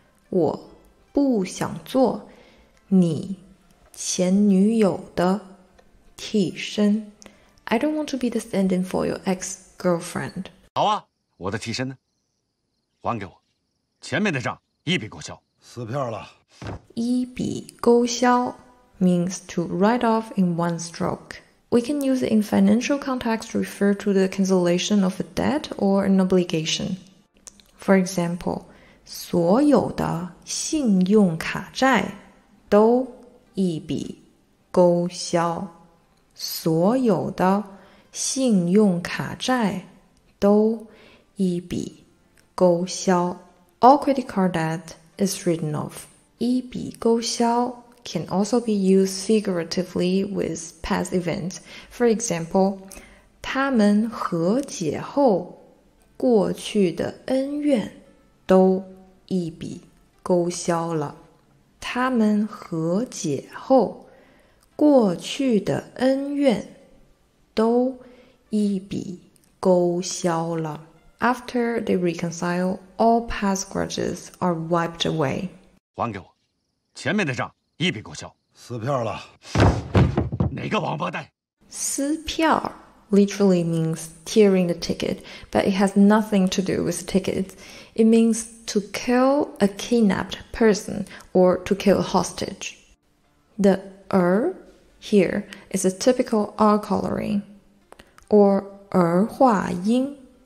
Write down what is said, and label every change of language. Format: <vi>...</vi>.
<zh>我不想做你前女友的替身。</zh> <en>I don't want to be the stand-in for your ex-girlfriend.</en> <zh>好啊，我的替身呢？还给我。前面的账一笔勾销，撕票了。</zh> <en>一笔勾销 means to write off in one stroke. We can use it in financial context to refer to the cancellation of a debt or an obligation. For example,</en> <zh>所有的信用卡债都一笔勾销。所有的信用卡债都一笔勾销。</zh> <en>All credit card debt is written off. 一笔勾销 can also be used figuratively with past events. For example,</en> <zh>他们和解后过去的恩怨都一笔勾销了。他们和解后过去的恩怨都一笔勾销了。</zh> <en>After they reconcile, all past grudges are wiped away.</en> <zh>还给我，前面的账一笔勾销。撕票了。哪个王八蛋？</zh> <en>撕票 literally means tearing the ticket, but it has nothing to do with tickets. It means to kill a kidnapped person or to kill a hostage. The 儿 here is a typical R coloring or 儿化音。</en>